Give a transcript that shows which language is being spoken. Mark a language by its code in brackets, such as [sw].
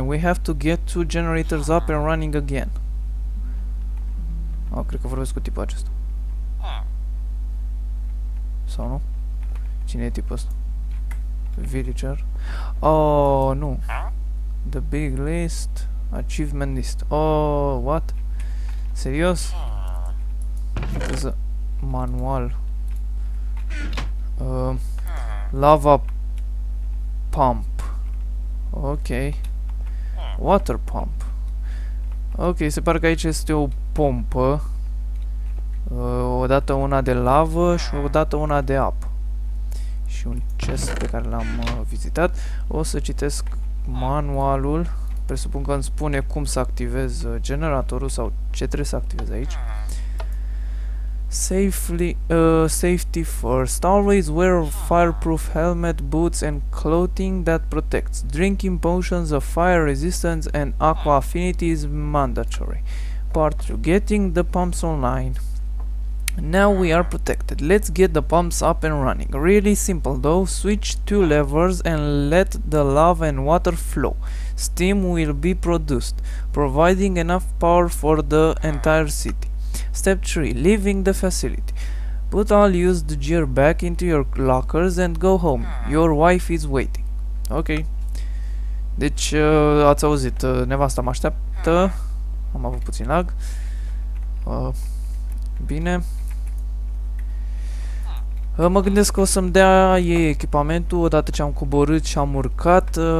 [en] We have to get two generators up and running again. [ro] Oh, cred că vorbesc cu tipul acesta. Sau nu? Cine e tipul ăsta? Villager? [en] Oh, nu. The big list. Achievement list. [ro] Oh, what? Serios? Trebuie manual. [en] Lava pump. Ok. Water pump. [ro] Ok, se pare că aici este o pompă. Odată una de lavă și odată una de apă. Și un chest pe care l-am vizitat. O să citesc manualul. Presupun că îmi spune cum să activez generatorul sau ce trebuie să activez aici. [en] Safely, safety first. Always wear a fireproof helmet, boots and clothing that protects. Drinking potions of fire resistance and aqua affinity is mandatory. Part 2. Getting the pumps online. Now we are protected. Let's get the pumps up and running. Really simple though. Switch two levers and let the lava and water flow. Steam will be produced, providing enough power for the entire city. Step 3. Leaving the facility. Put all used gear back into your lockers and go home. Your wife is waiting. Ok. [ro] Deci, ați auzit, nevasta mă așteaptă. Am avut puțin lag. Bine. Mă gândesc că o să-mi dea ei echipamentul odată ce am coborât și am urcat.